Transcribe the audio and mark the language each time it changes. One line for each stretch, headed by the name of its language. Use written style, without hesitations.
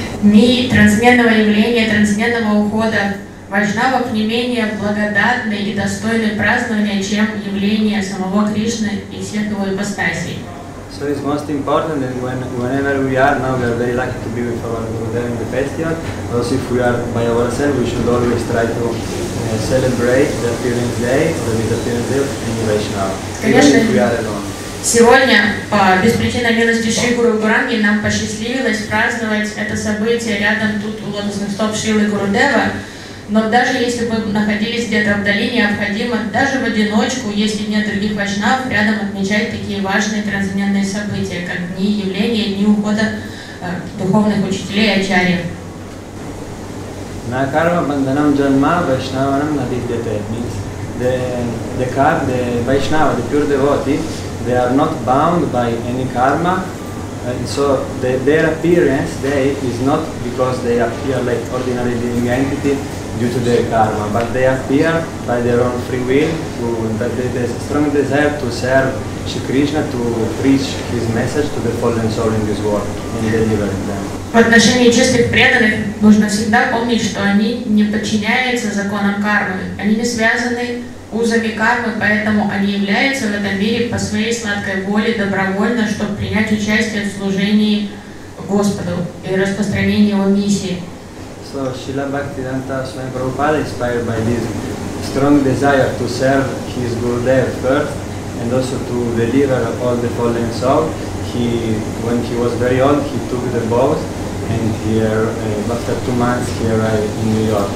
Russian: Ни трансцендентного явления, трансцендентного ухода Вайшнавов не менее благодатны и достойны празднования, чем явление самого Кришны и всех его ипостасей.
English: So it's most important that whenever we are now, we are very lucky to be with our Gurudev in the festival. Also, if we are by ourselves, we should always try to celebrate the appearance day or the disappearance day of any Vaishnava.
Russian: Сегодня, по беспричинной милости Шри Гуру Гуранги, нам посчастливилось праздновать это событие рядом тут у лотосных стоп Шрилы Гурудева. Но даже если бы находились где-то вдали, необходимо даже в одиночку, если нет других вайшнав, рядом отмечать такие важные трансцендентные события, как дни явления, дни ухода духовных учителей ачарьи.
Sanskrit: На карма банданам джанма вайшнаванам надидьяте.
English: Means the karma, the vaishnava, the pure devotee, they are not bound by any karma. And so their appearance, they, is not because they appear like ordinary living entity due to their karma, but they appear by their own free will, that they have a strong desire to serve Sri Krishna, to preach His message to the fallen soul in this world, and deliver them.
Russian: В отношении чистых преданных нужно всегда помнить, что они не подчиняются законам кармы, они не связаны узами кармы, поэтому они являются в этом мире по своей сладкой воле добровольно, чтобы принять участие в служении Господу и распространении Его миссии.
English: So Srila Bhaktivedanta Swami Prabhupada, inspired by this strong desire to serve his Gurudev first and also to deliver all the fallen souls, when he was very old, he took the boat and after 2 months he arrived in New York.